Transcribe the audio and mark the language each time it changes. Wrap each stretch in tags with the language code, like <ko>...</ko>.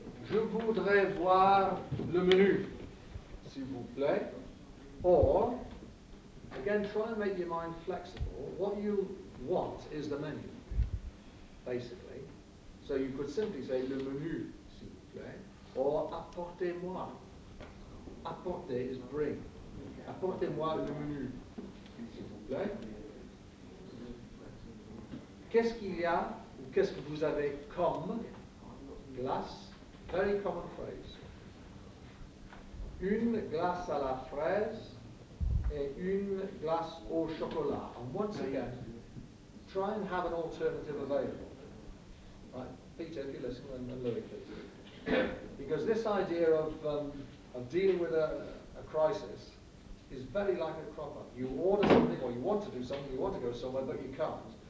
<fr>Je voudrais voir le menu, s'il vous plaît.</fr> <en>Or, again, try and make your mind flexible. What you want is the menu, basically. So you could simply say</en> <fr>le menu, s'il vous plaît.</fr> <en>Or</en> <fr>apportez-moi.</fr> <en>Apportez is bring.</en> <fr>Apportez-moi le menu, s'il vous plaît. Qu'est-ce qu'il y a, ou qu'est-ce que vous avez comme glace?</fr> <en>Very common phrase.</en> <fr>Une glace à la fraise et une glace au chocolat.</fr> <en>And once again, try and have an alternative available. Right, Peter, if you listen, and Louis, please. Because this idea of dealing with a crisis is very like a cropper. You order something, or you want to do something, you want to go somewhere, but you can't.</en>